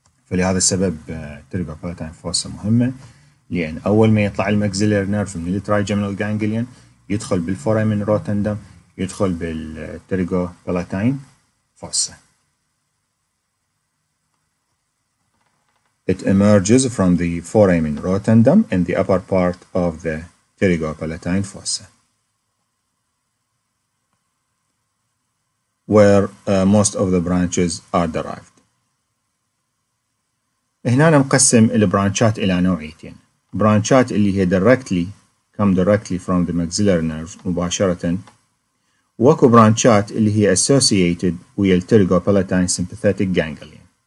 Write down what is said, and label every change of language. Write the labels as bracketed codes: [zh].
[ar] فلهذا السبب ترigopalatine fossa مهمة، لأن أول ما يطلع الماكزيلاري نيرف من الترigeminal ganglion يدخل بالفورامين روتندم، يدخل بالتريجو بلاتين فوسا. [en] It emerges from the foramen rotundum in the upper part of the terigo palatine fossa, where most of the branches are derived. [ar] هنا نقسم البرانشات إلى نوعيتين. برانشات اللي هي [en] directly come directly from the maxillary nerve [ar] مباشرة، وكو برانشات اللي هي [en] associated with the pterygopalatine sympathetic ganglion.